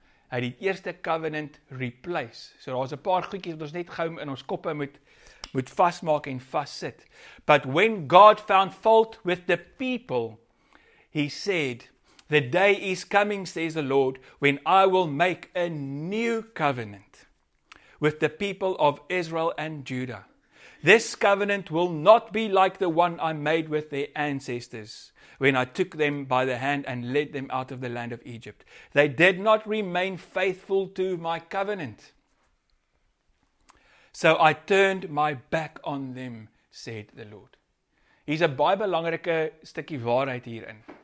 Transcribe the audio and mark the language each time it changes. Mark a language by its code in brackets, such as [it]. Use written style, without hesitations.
[af] Hy het die eerste covenant replace. So daar's 'n paar goedjies wat ons net gou in ons koppe moet vasmaak en vassit. [en] But when God found fault with the people, he said, the day is coming, says the Lord, when I will make a new covenant with the people of Israel and Judah. This covenant will not be like the one I made with their ancestors, when I took them by the hand and led them out of the land of Egypt. They did not remain faithful to my covenant. So I turned my back on them, said the Lord. [af] Hier is 'n baie belangrike stukkie waarheid hierin.